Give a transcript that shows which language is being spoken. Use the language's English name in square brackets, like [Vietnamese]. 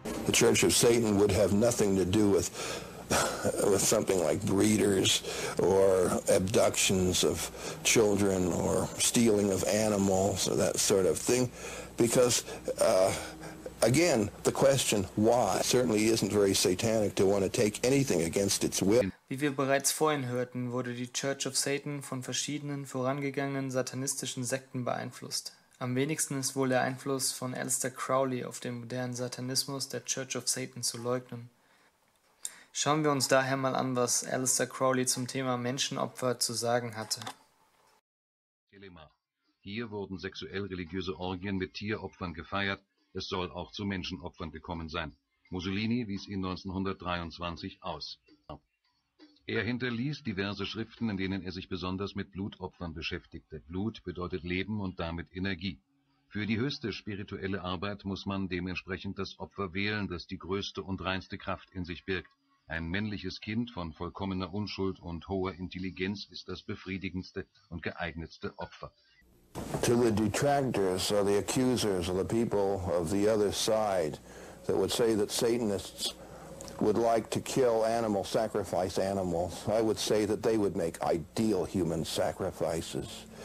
[English] The Church of Satan would have nothing to do with something like breeders or abductions of children or stealing of animals or that sort of thing, because again, the question why certainly isn't very satanic to want to take anything against its will. [German] Wie wir bereits vorhin hörten, wurde die Church of Satan von verschiedenen vorangegangenen satanistischen Sekten beeinflusst. Am wenigsten ist wohl der Einfluss von Aleister Crowley auf den modernen Satanismus der Church of Satan zu leugnen. Schauen wir uns daher mal an, was Aleister Crowley zum Thema Menschenopfer zu sagen hatte. Hier wurden sexuell-religiöse Orgien mit Tieropfern gefeiert. Es soll auch zu Menschenopfern gekommen sein. Mussolini wies ihn 1923 aus. Er hinterließ diverse Schriften, in denen er sich besonders mit Blutopfern beschäftigte. Blut bedeutet Leben und damit Energie. Für die höchste spirituelle Arbeit muss man dementsprechend das Opfer wählen, das die größte und reinste Kraft in sich birgt. Ein männliches Kind von vollkommener Unschuld und hoher Intelligenz ist das befriedigendste und geeignetste Opfer. [English] To the detractors or the accusers or the people of the other side that would say that Satanists would like to kill animals, sacrifice animals, I would say that they would make ideal human sacrifices.